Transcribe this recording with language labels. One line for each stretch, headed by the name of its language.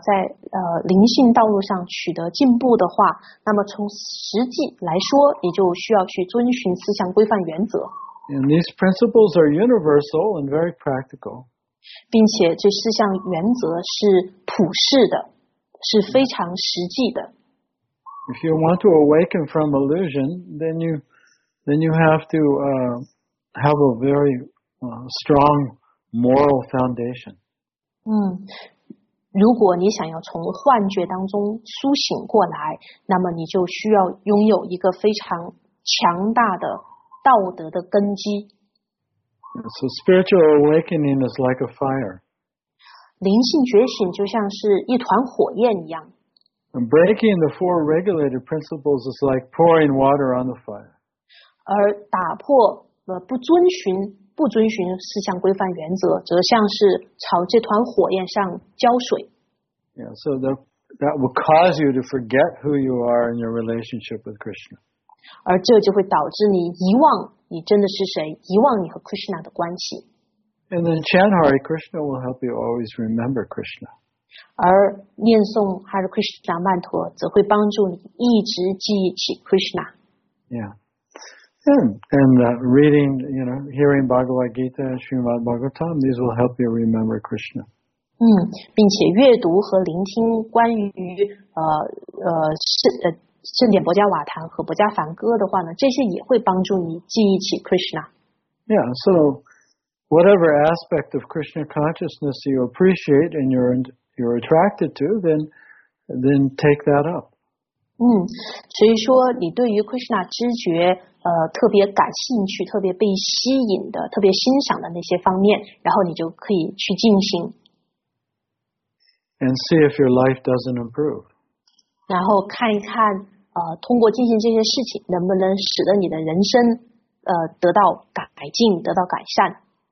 Chinese: 所以说如果你想要在灵性道路上取得进步的话, 那么从实际来说, 你就需要去遵循思想规范原则。
English: And these principles are universal and very practical.
Chinese: 并且这四项原则是普世的，是非常实际的。
English: If you want to awaken from illusion, then you have to have a very strong moral foundation.
Chinese: 如果你想要从幻觉当中苏醒过来，那么你就需要拥有一个非常强大的道德的根基。
English: So spiritual awakening is like a fire.
Chinese: 灵性觉醒就像是一团火焰一样。
English: And breaking the four regulated principles is like pouring water on the fire.
Chinese: 而打破不遵循四项规范原则，则像是朝这团火焰上浇水。
English: Yeah, so that will cause you to forget who you are in your relationship with Krishna.
Chinese: 而这就会导致你遗忘你真的是谁，遗忘你和 Krishna 的关系。
English: And then chant Hare Krishna will help you always remember Krishna.
Chinese: 而念诵 Hare Krishna 曼陀则会帮助你一直记忆起 Krishna.
English: Yeah. And reading, you know, hearing Bhagavad Gita, Srimad Bhagavatam, these will help you remember Krishna.
Chinese: 并且阅读和聆听关于圣典薄伽瓦坛和薄伽梵歌的话呢，这些也会帮助你记忆起 Krishna.
English: Yeah, so whatever aspect of Krishna consciousness you appreciate and you're attracted to, then take that up.
Chinese: 所以说你对于 Krishna 知觉特别感兴趣，特别被吸引的，特别欣赏的那些方面，然后你就可以去进行。
English: And see if your life doesn't improve.
Chinese: 然后看一看通过进行这些事情能不能使得你的人生得到改进，得到改善。